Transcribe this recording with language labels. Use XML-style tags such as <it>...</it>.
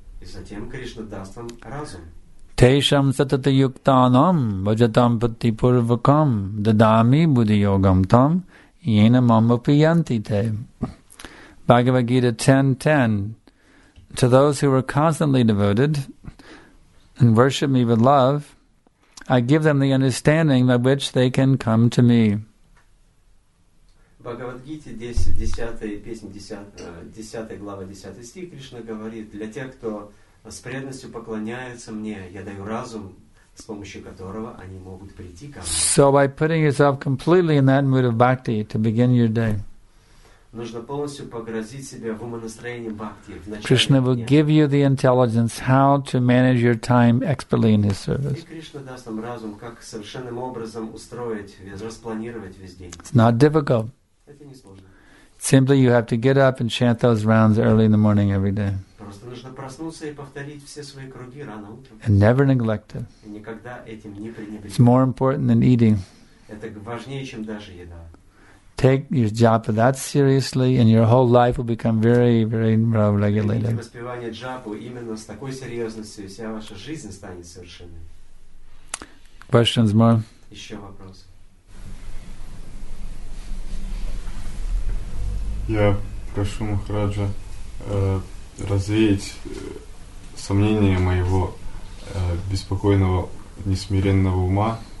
<sa>Tesham satata yuktanam vajatam pati purvakam dadami buddhi yogam tam yena mama piyanti te.</sa> <en>Bhagavad Gita 10:10. To those who are constantly devoted and worship me with love, I give them the understanding by which they can come to me.</en> <ru>Bhagavad Gita 10:10, Krishna говорит, для тех, кто с преданностью поклоняется мне, я даю разум, с помощью которого они могут прийти ко мне.</ru> <en>So by putting yourself completely in that mood of bhakti to begin your day,</en> <ru>нужно полностью погрузить себя в умонастроение бхакти.</ru> <en>Krishna will give you the intelligence how to manage your time expertly in His service.</en> <ru>И Кришна даст вам разум, как совершенным образом устроить, распланировать весь день.</ru> <en>It's not difficult.</en> <ru>Это не сложно.</ru> <en>Simply, you have to get up and chant those rounds early in the morning every day.</en> <ru>Просто нужно проснуться и повторить все свои круги рано утром.</ru> <en>And never neglect it.</en> <ru>И никогда этим не пренебрегать.</ru> <en>It's more important than eating.</en> <ru>Это важнее, чем даже еда.</ru> <en>Take your japa that seriously, and your whole life will become very, very well regulated.</en> <ru>Воспевание джапу именно с такой серьезностью, вся ваша жизнь станет совершенной.</ru> <en>Questions more?</en> <ru>Еще вопрос. Я прошу Махараджа развеять сомнения моего беспокойного, несмиренного ума.</ru>